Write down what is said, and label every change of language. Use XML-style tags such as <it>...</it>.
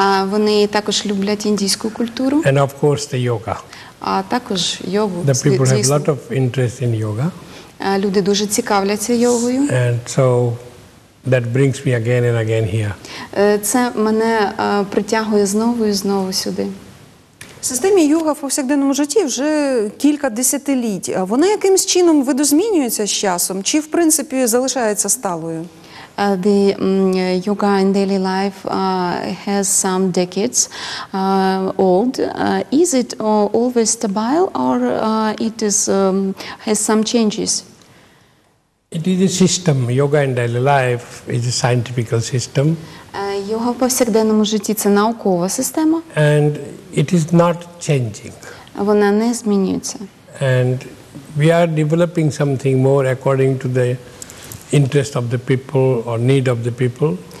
<uk>Вони також люблять індійську культуру.</uk> <en>And of course the yoga.</en> <uk>А також йогу.</uk> <en>The people have lot of interest in yoga.</en> <uk>Люди дуже цікавляться йогою.</uk> <en>And so that brings me again and again here.</en> <uk>Це мене притягує знову і знову сюди. В системі йога в повсякденному житті вже кілька десятиліть. Вона якимсь чином видозмінюється з часом чи в принципі залишається сталою?</uk> <en>The yoga in daily life has some decades old. Is it always stable or it is has some changes? It is a system. Yoga in daily life is a scientific system.</en> <uk>Йога в повсякденному житті – це наукова система.</uk> <en>And it is not changing.</en> <uk>Вона не змінюється.</uk> <en>And we are developing something more according to the interest of the people or need of the people.</en>